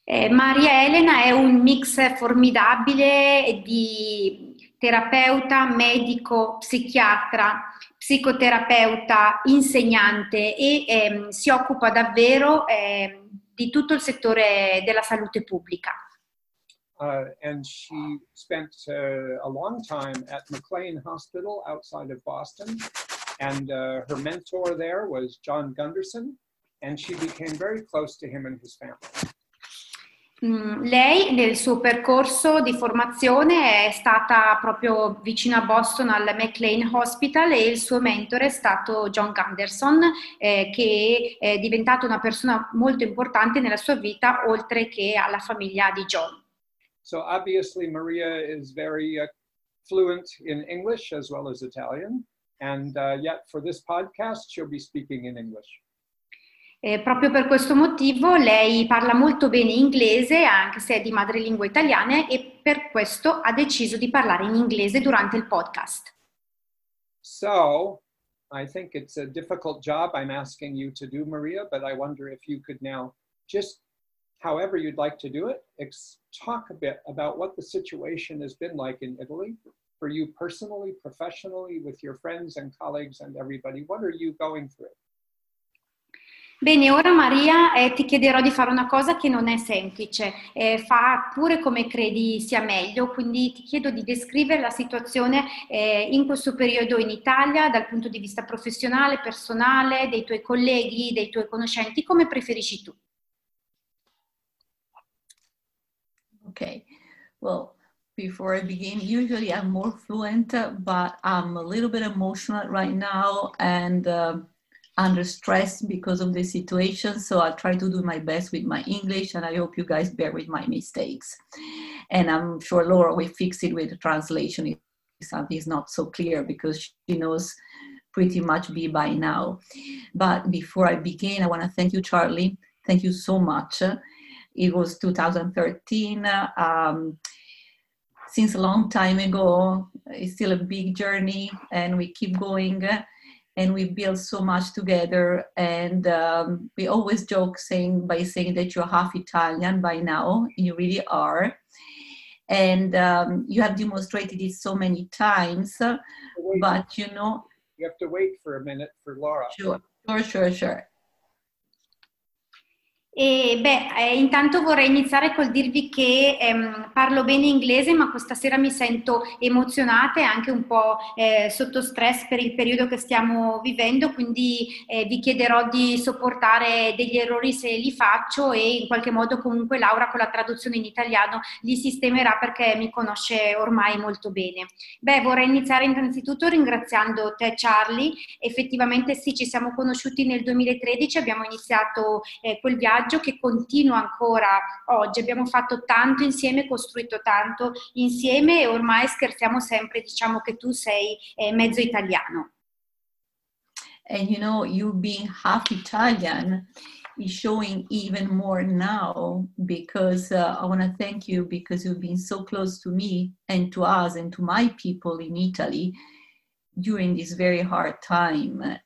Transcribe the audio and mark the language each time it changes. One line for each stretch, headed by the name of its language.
Italian: Maria Elena è un mix formidabile di terapeuta, medico, psichiatra, psicoterapeuta, insegnante e si occupa davvero di tutto il settore della salute pubblica.
English: And she spent a long time at McLean Hospital outside of Boston and her mentor there was John Gunderson and she became very close to him and his family.
Italian: Lei nel suo percorso di formazione è stata proprio vicino a Boston al McLean Hospital e il suo mentore è stato John Gunderson che è diventato una persona molto importante nella sua vita oltre che alla famiglia di John.
English: So obviously Maria is very fluent in English as well as Italian and yet for this podcast she'll be speaking in English.
Italian: Proprio per questo motivo lei parla molto bene inglese, anche se è di madrelingua italiana, e per questo ha deciso di parlare in inglese durante il podcast.
English: So, I think it's a difficult job I'm asking you to do, Maria, but I wonder if you could now, just however you'd like to do it, talk a bit about what the situation has been like in Italy for you personally, professionally, with your friends and colleagues and everybody. What are you going through?
Italian: Bene, ora Maria ti chiederò di fare una cosa che non è semplice, fa pure come credi sia meglio, quindi ti chiedo di descrivere la situazione in questo periodo in Italia dal punto di vista professionale, personale, dei tuoi colleghi, dei tuoi conoscenti, come preferisci tu.
English: Ok, well, before I begin, usually I'm more fluent, but I'm a little bit emotional right now and under stress because of the situation, so I'll try to do my best with my English and I hope you guys bear with my mistakes. And I'm sure Laura will fix it with the translation if something is not so clear, because she knows pretty much me by now. But before I begin, I want to thank you, Charlie. Thank you so much. It was 2013. Since a long time ago, it's still a big journey and we keep going. And we build so much together, and we always joke saying by saying that you're half Italian by now, and you really are. And you have demonstrated it so many times, but you know. You have to wait for a minute for Laura. Sure.
Italian: Intanto vorrei iniziare col dirvi che parlo bene inglese, ma questa sera mi sento emozionata e anche un po' sotto stress per il periodo che stiamo vivendo, quindi vi chiederò di sopportare degli errori se li faccio, e in qualche modo comunque Laura con la traduzione in italiano li sistemerà perché mi conosce ormai molto bene. Vorrei iniziare innanzitutto ringraziando te, Charlie. Effettivamente sì, ci siamo conosciuti nel 2013, abbiamo iniziato quel viaggio che continua ancora oggi. Abbiamo fatto tanto insieme, costruito tanto insieme, e ormai scherziamo sempre, diciamo che tu sei mezzo italiano.
English: And you know, you being half Italian is showing even more now, because I want to thank you, because you've been so close to me and to us and to my people in Italy during this very hard time.